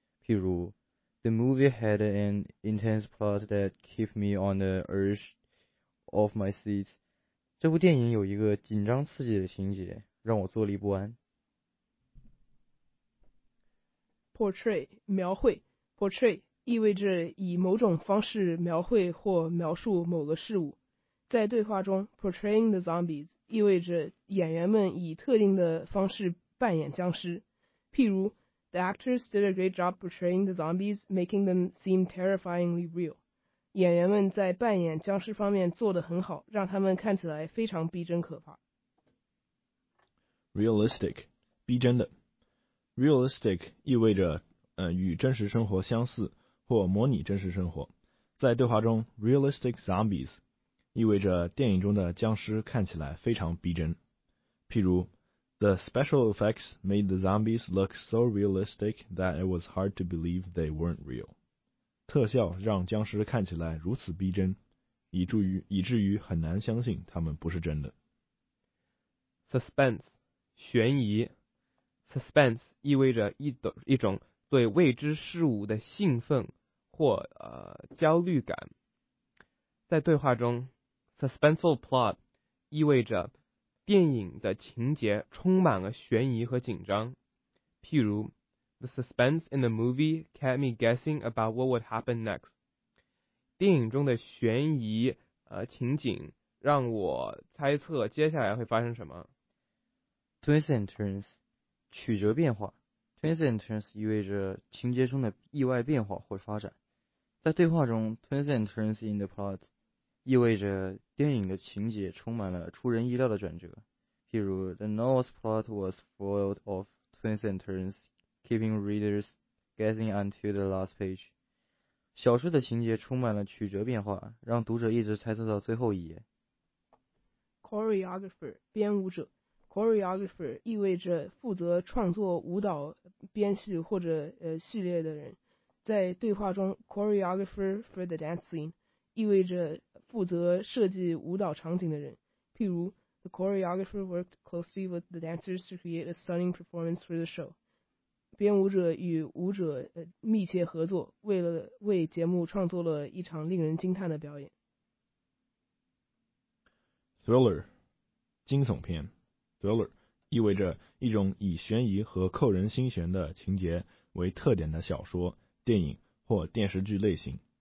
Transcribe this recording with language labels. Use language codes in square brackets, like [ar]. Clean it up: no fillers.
[en] 譬如The movie had an intense plot that kept me on the edge of my seat. [zh] 这部电影有一个紧张刺激的情节，让我坐立不安。 Portray， 描绘。Portray 意味着以某种方式描绘或描述某个事物。在对话中 ，portraying the zombies 意味着演员们以特定的方式扮演僵尸。譬如 [en] The actors did a great job portraying the zombies, making them seem terrifyingly real. [zh] 演员们在扮演僵尸方面做得很好，让他们看起来非常逼真可怕。 Realistic， 逼真的。Realistic 意味着与真实生活相似或模拟真实生活。在对话中 ，realistic zombies 意味着电影中的僵尸看起来非常逼真。 [en] 譬如 ，The special effects made the zombies look so realistic that it was hard to believe they weren't real。 [zh] 特效让僵尸看起来如此逼真，以至于很难相信他们不是真的。 Suspense， 悬疑。Suspense 意味着一种对未知事物的兴奋或焦虑感。在对话中 ，suspenseful plot 意味着电影的情节充满了悬疑和紧张。 [en] 譬如 ，The suspense in the movie kept me guessing about what would happen next。 [zh] 电影中的悬疑情景让我猜测接下来会发生什么。 Twists and turns。 曲折变化 ，twists and turns 意味着情节中的意外变化或发展。在对话中 ，twists and turns in the plot 意味着电影的情节充满了出人意料的转折。 [en] 譬如 ，the novel's plot was full of twists and turns, keeping readers guessing until the last page。 [zh] 小说的情节充满了曲折变化，让读者一直猜测到最后一页。 Choreographer， 编舞者。Choreographer 意味着负责创作舞蹈编序或者序列的人。在对话中 ，choreographer for the dance scene 意味着负责设计舞蹈场景的人。 [en] 譬如 ，the choreographer worked closely with the dancers to create a stunning performance for the show。 [zh] 编舞者与舞者密切合作，为节目创作了一场令人惊叹的表演。 Thriller， 惊悚片。Thriller 意味着一种以悬疑和扣人心弦的情节为特点的小说、电影或电视剧类型。